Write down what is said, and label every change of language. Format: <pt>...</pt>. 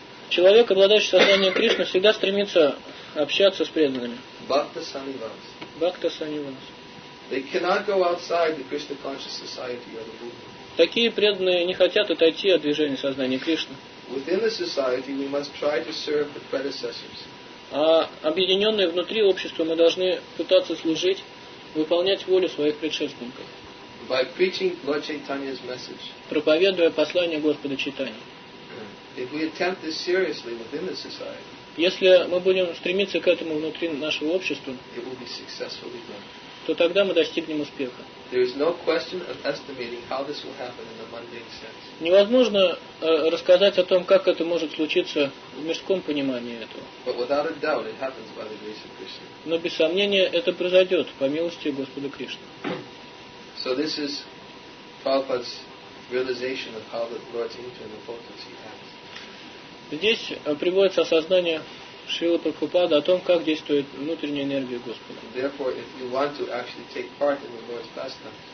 <ru>Человек, обладающий сознанием Кришны, всегда стремится общаться с преданными. Бхакта санивас.</ru> <en>They cannot go outside the Krishna conscious society or the movement.</en> <ru>Такие преданные не хотят отойти от движения сознания Кришны.</ru> <en>Within the society we must try to serve the predecessors.</en> <ru>А объединенные внутри общества мы должны пытаться служить, выполнять волю своих предшественников.</ru> <en>By preaching Lord Chaitanya's message.</en> <ru>Проповедуя послание Господа Чайтани.</ru> <en>If we attempt this seriously within the society.</en> <ru>Если мы будем стремиться к этому внутри нашего общества.</ru> <en>It will be successfully done.</en> <ru>То тогда мы достигнем успеха.</ru> <en>There is no question of estimating how this will happen in the mundane sense.</en> <ru>Невозможно рассказать о том, как это может случиться в мирском понимании этого.</ru> <en>But without a doubt, it happens by the grace of Krishna.</en> <ru>Но без сомнения это произойдет по милости Господа Кришны.</ru> <en>So this is Prabhupada's realization of how the Lord's infinite importance he has.</en> <ru>Здесь приводится осознание Шрилы Прабхупады о том, как действует внутренняя энергия Господа.</ru> <en>Therefore, if you want to actually take part in the Lord's pastime,</en>